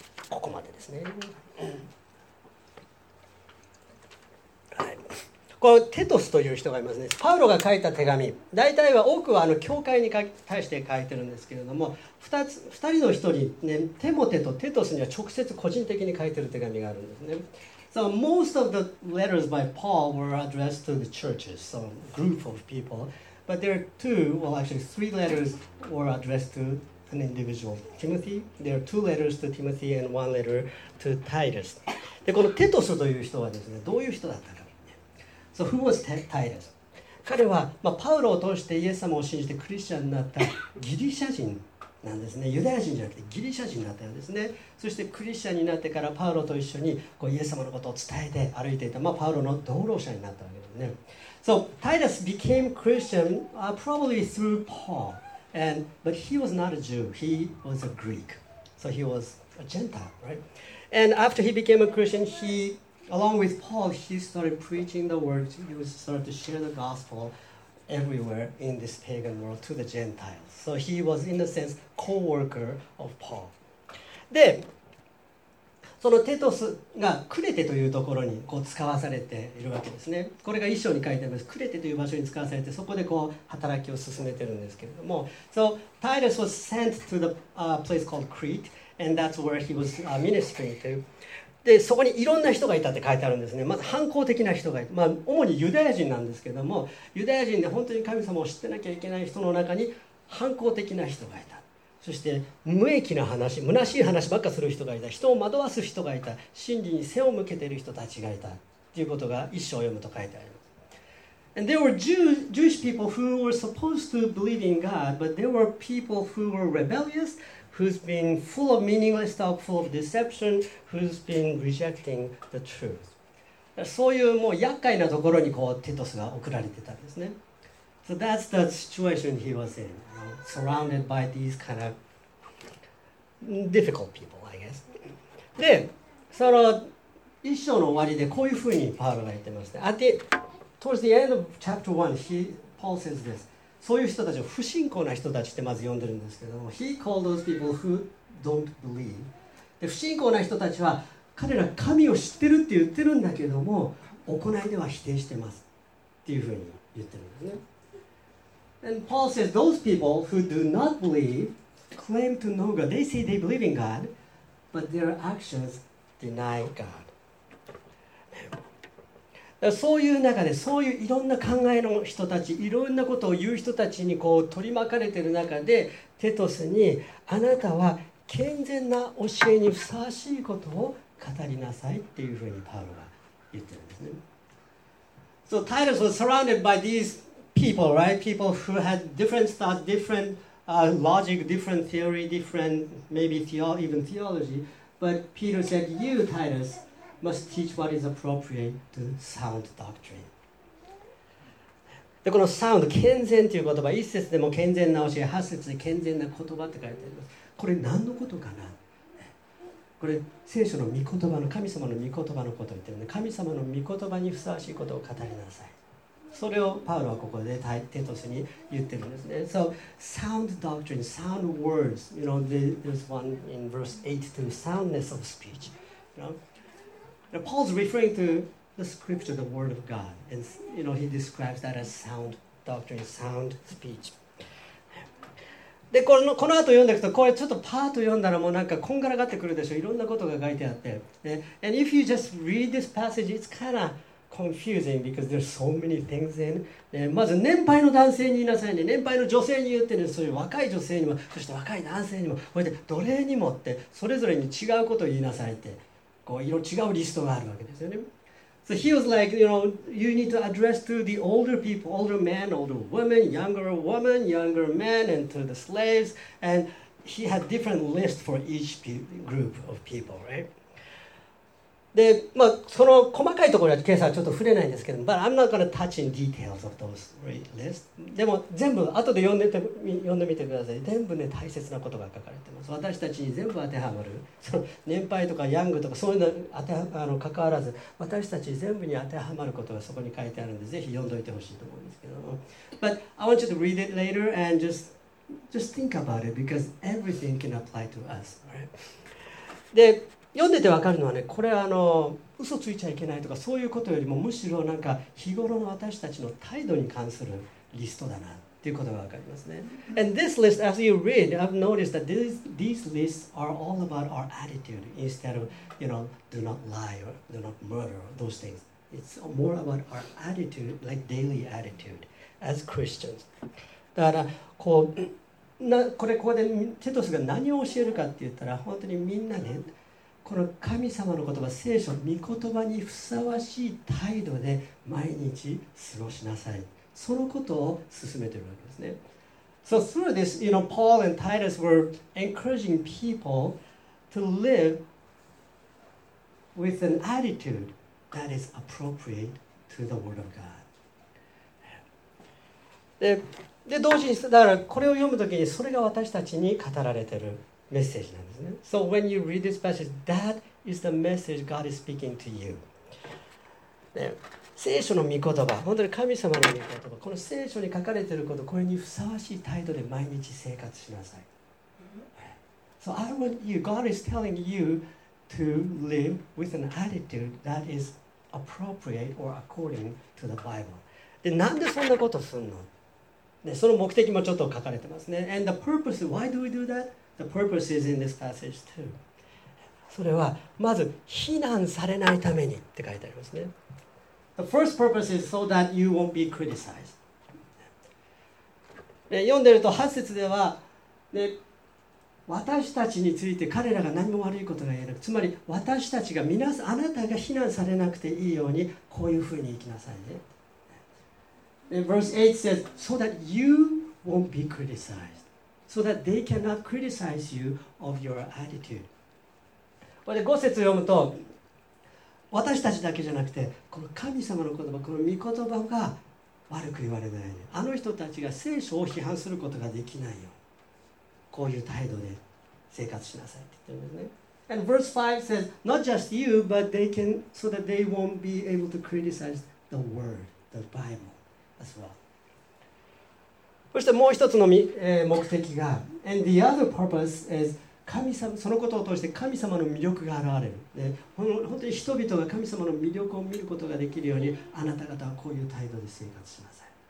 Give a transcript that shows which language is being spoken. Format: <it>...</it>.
<ja>ここまでですね、はい、このテトスという人がいますね。パウロが書いた手紙、大体は多くは教会に対して書いてるんですけれども、2人の人に、ね、テモテとテトスには直接個人的に書いてる手紙があるんですね。</ja> <en>So most of the letters by Paul were addressed to the churches, so group of people. But there are two, well actually three letters were addressed to an individual, Timothy. There are two letters to Timothy and one letter to Titus.</en> <ja>で、このテトスという人はですね、どういう人だったか。</ja> <en>So who was Titus?</en> <ja>彼は、まあ、パウロを通してイエス様を信じてクリスチャンになったギリシャ人なんですね。ユダヤ人じゃなくてギリシャ人だったようですね。そしてクリスチャンになってからパウロと一緒にこうイエス様のことを伝えて歩いていた、まあ、パウロの同路者になったわけですね。</ja> <en>So Titus became Christian、probably through Paul, and, but he was not a Jew, he was a Greek. So he was a Gentile, right? And after he became a Christian, heAlong with Paul, he started preaching the word. He was started to share the gospel everywhere in this pagan world to the Gentiles. So he was, in a sense, co-worker of Paul.</en> <ja>で、そのテトスがクレテというところにこう使わされているわけですね。これが一章に書いてあります。クレテという場所に使わされて、そこでこう働きを進めているんですけれども、</ja> <en>So Titus was sent to the place called Crete, and that's where he was ministering to.</en> <ja>でそこにいろんな人がいたって書いてあるんですね。まず反抗的な人がいて、まあ、主にユダヤ人なんですけども、ユダヤ人で本当に神様を知ってなきゃいけない人の中に反抗的な人がいた。そして無益な話、虚しい話ばっかする人がいた。人を惑わす人がいた。真理に背を向けている人たちがいた。ということが一章を読むと書いてあります。</ja> <en>And there were Jewish people who were supposed to believe in God, but there were people who were rebellious, who's been full of meaningless talk, full of deception, who's been rejecting the truth.</en> <ja>そういうもう厄介なところにこうテトスが送られてたんですね。</ja> <en>So that's the situation he was in, you know, surrounded by these kind of difficult people, I guess.</en> <ja>で、その一章の終わりでこういうふうにパウロが言ってますね。</ja> <en>Towards the end of chapter 1, Paul says this.</en> <ja>そういう人たちを不信仰な人たちってまず呼んでるんですけども、</ja> <en>He called those people who don't believe.</en> <ja>で、不信仰な人たちは彼ら神を知ってるって言ってるんだけども、行いでは否定してますっていうふうに言ってるんですね。</ja> <en>And Paul says, those people who do not believe claim to know God. They say they believe in God, but their actions deny God.</en> <ja>そういう中でそういういろんな考えの人たちいろんなことを言う人たちにこう取り巻かれている中でテトスにあなたは健全な教えにふさわしいことを語りなさいっていうふうにパウロが言ってるんですね。</ja> <en>So Titus was surrounded by these people, right? People who had different thoughts, different logic, different theory, different maybe even theology. But Peter said, you TitusMust teach what is appropriate to sound doctrine.</en> <ja>でこの sound 健全という言葉、一節でも健全な教え、八節で健全な言葉って書いてあります。これ何のことかな？これ聖書の御言葉の神様の御言葉のことを言ってるね。神様の御言葉にふさわしいことを語りなさい。それをパウロはここでテトスに言ってるんですね。</ja> <en>So sound doctrine, sound words. You know, there's one in verse 8 to soundness of speech. You know. Now, Paul's referring to the scripture, the word of God. And, you know, he describes that as sound doctrine, sound speech.</en> <ja>で、この後読んでいくと、これちょっとパーと読んだらもうなんかこんがらがってくるでしょ。いろんなことが書いてあって。</ja> <en>And if you just read this passage, it's kind of confusing because there's so many things in.</en> <ja>まず年配の男性に言いなさいね。年配の女性に言ってね。そういう若い女性にも、そして若い男性にも、こうやって奴隷にもって、それぞれに違うことを言いなさいって。こう色違うリストがあるわけですよね。</ja> <en>So he was like, you know, you need to address to the older people, older men, older women, younger women, younger men, and to the slaves. And he had different lists for each group of people, right?</en> <ja>で、まあその細かいところは今朝はちょっと触れないんですけど、</ja> <en>but I'm not going to touch in details of those lists.</en> <ja>でも全部後で読んでみてください。全部ね大切なことが書かれてます。私たちに全部当てはまる。その年配とかヤングとかそういうの当てはあの関わらず、私たち全部に当てはまることがそこに書いてあるんで、ぜひ読んどいてほしいと思うんですけども。</ja> <en>But I want you to read it later and just think about it because everything can apply to us, right?</en> <ja>で、読んでてわかるのはね、これはあの嘘ついちゃいけないとかそういうことよりもむしろなんか日頃の私たちの態度に関するリストだなっていうことがわかりますね。</ja> <en>And this list, as you read, I've noticed that these lists are all about our attitude instead of, you know, do not lie or do not murder or those things. It's more about our attitude, like daily attitude as Christians.</en> <ja>だからこうな、これここでテトスが何を教えるかって言ったら本当にみんなね、この神様の言葉、聖書、御言葉にふさわしい態度で毎日過ごしなさい。そのことを進めているわけですね。</ja> <en>So through this, you know, Paul and Titus were encouraging people to live with an attitude that is appropriate to the Word of God.</en> <ja>で同時にだからこれを読むときにそれが私たちに語られている。メッセージなんですね。</ja> <en>So when you read this passage, that is the message God is speaking to you.、</en> <ja>ね、聖書の御言葉、本当に神様の御言葉、この聖書に書かれていること、これにふさわしい態度で毎日生活しなさい。</ja> <en>So I want you, God is telling you to live with an attitude that is appropriate or according to the Bible.</en> <ja>で、なんでそんなことするの？で、その目的もちょっと書かれてますね。</ja> <en>And the purpose, why do we do that? The purpose is in this passage too.</en> <ja>それはまず非難されないためにって書いてありますね。</ja> <en>The first purpose is so that you won't be criticized.</en> <ja>読んでると8節では、ね、私たちについて彼らが何も悪いことが言えなく、つまり私たちが皆あなたが非難されなくていいようにこういうふうに生きなさいね。</ja> <en>And verse 8 says, so that you won't be criticized. So that they cannot criticize you of your attitude.</en> <ja>これで5節読むと、私たちだけじゃなくて、この神様の言葉、この御言葉が悪く言われないように、あの人たちが聖書を批判することができないよ。こういう態度で生活しなさいって言ってるんですね。</ja> <en>And verse 5 says, not just you, but they can, so that they won't be able to criticize the word, the Bible as well.</en> <ja>そしてもう一つの目的が、</ja> <en>And the other purpose is, 神様、</en> <ja>そのことを通して神様の魅力が現れる。で、本当に人々が神様の魅力を見ることができるように、あなた方はこういう態度で生活しなさい。</ja>